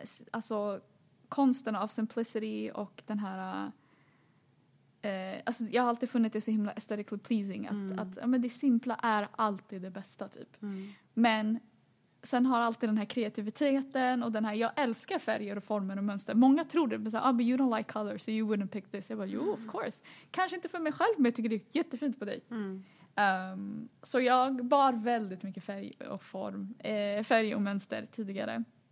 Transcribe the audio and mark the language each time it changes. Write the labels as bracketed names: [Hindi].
[Swedish] Alltså konsten av simplicity och den här... alltså jag har alltid funnit det så himla [English] aesthetically pleasing. [Swedish] Att ja, men det simpla är alltid det bästa typ. Mm. Men sen har alltid den här kreativiteten och den här... Jag älskar färger och former och mönster. Många tror det. [English] Ah, but you don't like color, so you wouldn't pick this. [Swedish] Jag bara, jo, [English] of course. [Swedish] Kanske inte för mig själv, men jag tycker det är jättefint på dig. Mm. Så jag bar väldigt mycket färg och form. Färg och mönster tidigare.